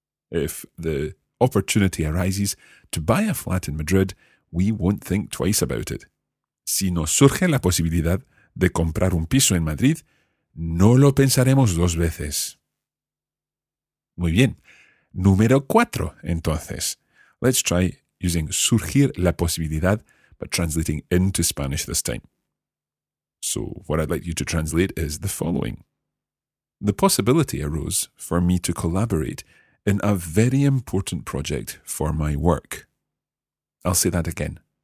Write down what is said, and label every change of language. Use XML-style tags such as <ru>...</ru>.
<en>If the opportunity arises to buy a flat in Madrid, we won't think twice about it.</en> <es>Si nos surge la posibilidad de comprar un piso en Madrid, no lo pensaremos dos veces. Muy bien. Número cuatro, entonces.</es> <en>Let's try using</en> <es>surgir la posibilidad,</es> <en>but translating into Spanish this time. So what I'd like you to translate is the following. The possibility arose for me to collaborate in a very important project for my work. I'll say that again.</en>